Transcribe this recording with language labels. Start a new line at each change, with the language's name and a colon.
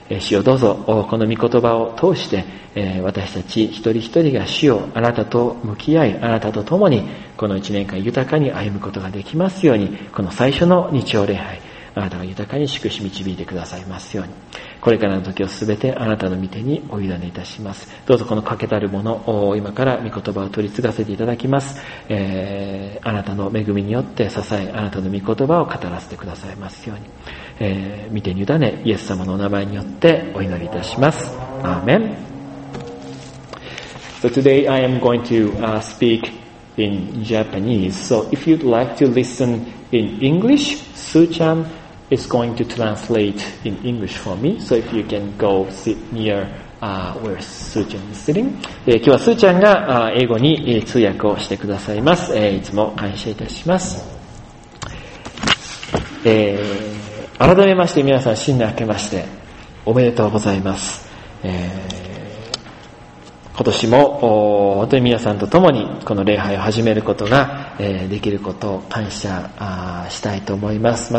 Japanese: 主よ、どうぞこの御言葉を通して、私たち一人一人が主よあなたと向き合い、あなたと共にこの一年間豊かに歩むことができますように、この最初の日曜礼拝、あなたが豊かに祝し導いてくださいますように、これからの時をすべてあなたの御手にお委ねいたします。どうぞこの欠けたるものを今から御言葉を取り継がせていただきます。あなたの恵みによって支え、あなたの御言葉を語らせてくださいますように、御手に委ね、イエス様のお名前によってお祈りいたします。アーメン。
English: So today I am going to speak in Japanese. So if you'd like to listen in English, Su-chanis going to translate in English for me. So if you can go sit near where Su-chan is sitting.
Japanese: 今日はスーちゃんが英語に通訳をしてくださいます。いつも感謝いたします。改めまして皆さん、新年明けましておめでとうございます。今年も本当に皆さんと共にこの礼拝を始めることができることを感謝したいと思います。